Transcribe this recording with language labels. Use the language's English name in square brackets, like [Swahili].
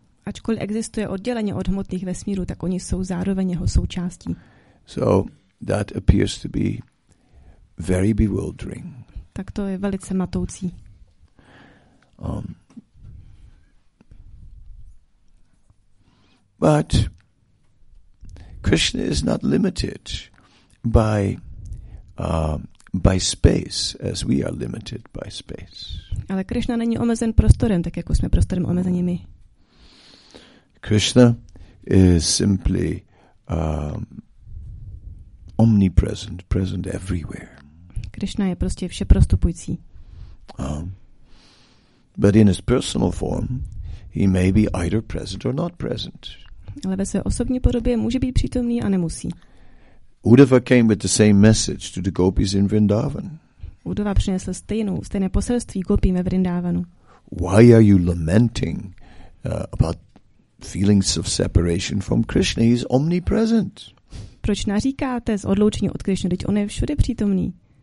[Czech] Ačkoliv existuje odděleně od hmotných vesmírů, tak oni jsou zároveň jeho součástí. [English] So that appears to be very bewildering. [Czech] Tak to je velice matoucí. [English] But Krishna is not limited by space as we are limited by space. [Czech] Ale Krishna není omezen prostorem, tak jako jsme prostorem omezeni my. [English] Krishna is simply omnipresent, present everywhere. [Czech] Krishna je prostě všeprostupující. [English] But in his personal form, he may be either present or not present. [Czech] Ale ve své osobní podobě může být přítomný a nemusí. [English] Uddhava came with the same message to the gopis in Vrindavan. [Czech] Uddhava přinesl stejné poselství gopím ve Vrindavanu. [English] Why are you lamenting about feelings of separation from Krishna? He is omnipresent. [Czech] Proč naříkáte z odloučení od Krishna? Teď on je všude přítomný.